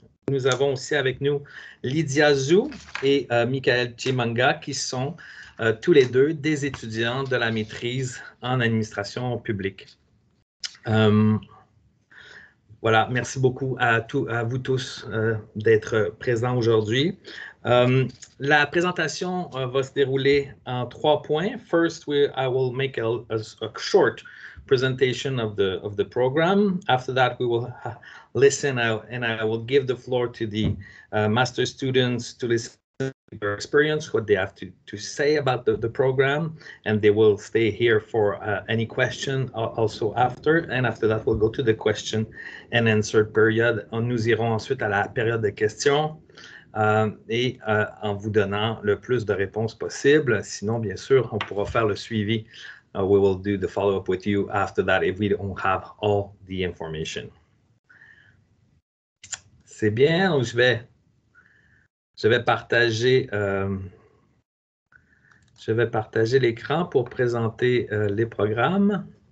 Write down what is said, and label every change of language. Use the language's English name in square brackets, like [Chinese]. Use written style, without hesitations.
[French] Nous avons aussi avec nous Lydia Zhu et Michael Chimanga, qui sont tous les deux des étudiants de la maîtrise en administration publique. Voilà, merci beaucoup à vous tous d'être présents aujourd'hui. La présentation va se dérouler en trois points. [English] First, I will make a short presentation of the program. After that, we will listen and I will give the floor to the master students to listen to their experience, what they have to say about the program, and they will stay here for any question also after. And after that, we'll go to the question and answer period. [French] Nous irons ensuite à la période de questions en vous donnant le plus de réponses possible. Sinon, bien sûr, on pourra faire le suivi. [English] We will do the follow-up with you after that if we don't have all the information. [French] C'est bien, donc je vais partager, je vais partager l'écran pour présenter les programmes.